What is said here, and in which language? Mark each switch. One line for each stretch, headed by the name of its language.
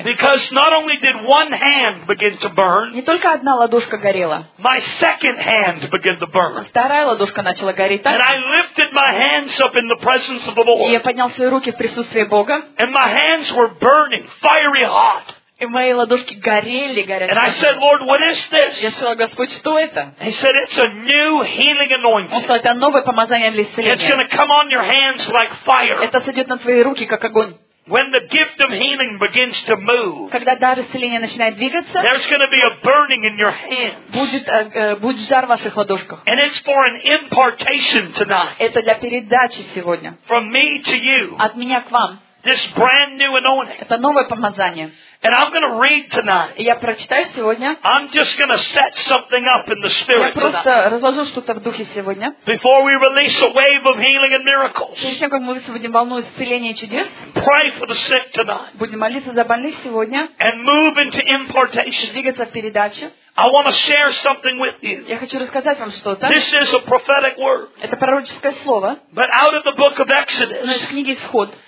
English: Because not only did one hand begin to burn.
Russian: Не только одна ладошка горела.
English: My second hand began to burn.
Russian: Вторая ладошка начала гореть.
English: And I lifted my hands up in the presence of the Lord.
Russian: И я поднял свои руки в присутствии Бога.
English: And my hands were burning, fiery hot.
Russian: И мои ладошки горели, горячие.
English: And I said, Lord, what is this?
Russian: Я сказал, Господь, что это?
English: He said, it's a new healing anointing.
Russian: Он сказал, это новое помазание для исцеления.
English: It's going to come on your hands like fire.
Russian: Это сойдет на твои руки как огонь.
English: When the gift of healing begins to move,
Russian: когда дар исцеления начинает двигаться,
English: there's going to be a burning in your hands.
Russian: Будет жар в ваших ладошках.
English: And it's for an impartation tonight.
Russian: Это для передачи сегодня.
English: From me to you.
Russian: От меня к вам.
English: This brand new anointing.
Russian: Это новое помазание.
English: And I'm going to read tonight.
Russian: Я прочитаю сегодня.
English: I'm just going to set something up in the spirit.
Russian: Я просто разложу что-то в духе сегодня.
English: Before we release a wave of healing and miracles.
Russian: Перед тем как мы высвободим волну исцеления и чудес.
English: Pray for the sick tonight.
Russian: Будем молиться за больных сегодня.
English: And move into impartation.
Russian: Двигаться в передаче.
English: I want to share something with you.
Russian: Я хочу рассказать вам что-то.
English: This is a prophetic word.
Russian: Это пророческое слово.
English: But out of the book of Exodus.
Russian: Но из книги Исход.